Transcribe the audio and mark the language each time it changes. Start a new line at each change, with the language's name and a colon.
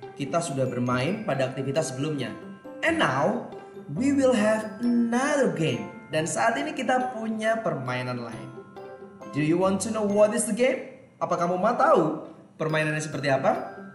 Indonesian: Kita sudah bermain pada aktivitas sebelumnya.
English: And now, we will have another game.
Indonesian: Dan saat ini kita punya permainan lain.
English: Do you want to know what is the game?
Indonesian: Apa kamu mau tahu permainannya seperti apa?